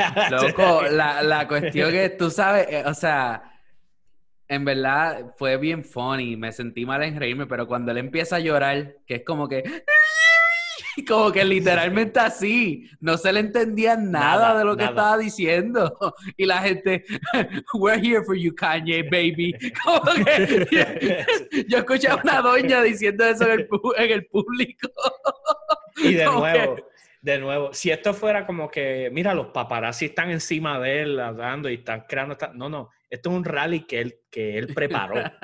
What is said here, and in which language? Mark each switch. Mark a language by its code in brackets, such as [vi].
[es] Loco, la cuestión es, tú sabes, o sea, en verdad fue bien funny, me sentí mal en reírme, pero cuando él empieza a llorar, que es como que... Como que literalmente así, no se le entendía nada de lo que estaba diciendo. Y la gente, [en] we're here for you, Kanye, baby. [es] Como que yo escuché a una doña diciendo eso en el público. Y de nuevo, si esto fuera como que, mira, los paparazzi están encima de él hablando y están creando... No, esto es un rally que él preparó.